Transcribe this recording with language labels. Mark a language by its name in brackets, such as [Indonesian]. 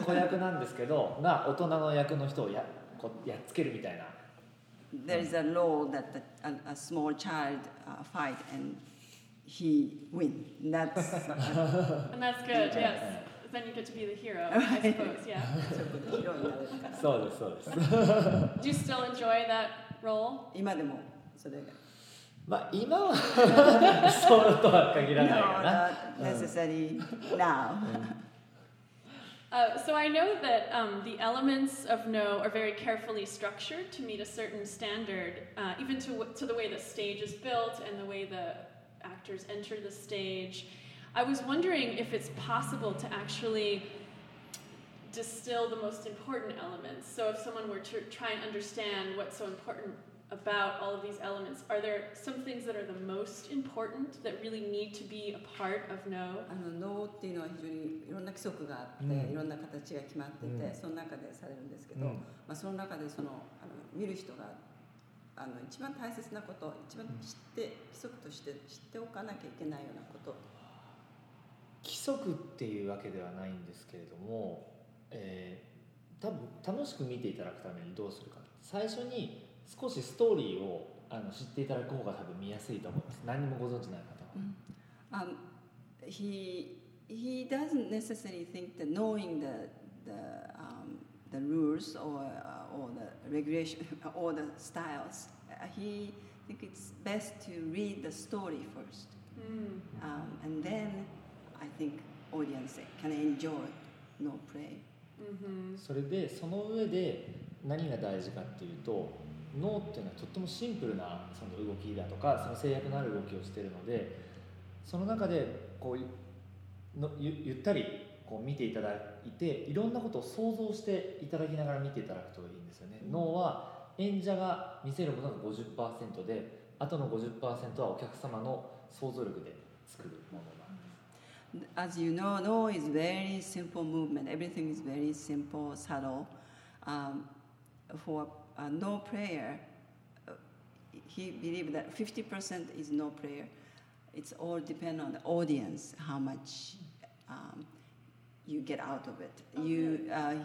[Japanese] 子役なんですけど、まあ大人の役の人をやっつけるみたいな。 [English] there is a law that a small child fight and he win. That's and that's good. Yes. Then you get to be the hero, I suppose. Yeah. So the hero. So the hero. Do you still enjoy that role? [Japanese] 今でもそれ。まあ今はそうとは限らないかな。 [English] No, not necessary now. So I know that the elements of No are very carefully structured to meet a certain standard, even to the way the stage is built and the way the actors enter the stage. I was wondering if it's possible to actually distill the most important elements. So if someone were to try and understand what's so important about all of these elements, are there some things that are the most important that really need to be a part of No? [Japanese] No っていうのは非常にいろんな規則があって、いろんな形が決まってて、その中でされるんですけど、まあその中でその、見る人が、一番大切なこと、一番知って、規則として知っておかなきゃいけないようなこと。規則っていうわけではないんですけれども、多分楽しく見ていただくためにどうするか。最初に少しストーリーを知っていただく方が多分見やすいと思います。何もご存知ない方は。 [English] He doesn't necessarily think that knowing the rules or the regulation or the styles, he think it's best to read the story first. And then I think audience can enjoy no play. [Japanese] それでその上で何が大事かっていうと、ノーっていうのはとってもシンプルなその動きだとか、その制約のある動きをしているので、その中でこうのゆったりこう見ていただいて、いろんなことを想像していただきながら見ていただくといいんですよね。ノーは演者が見せるものが 50% で、あとの 50% はお客様の想像力で作るものなんです。 [English] As you know, No is very simple movement. Everything is very simple, subtle. For a no player, he believes that 50% is no player. It's all depend on the audience, how much you get out of it. Okay.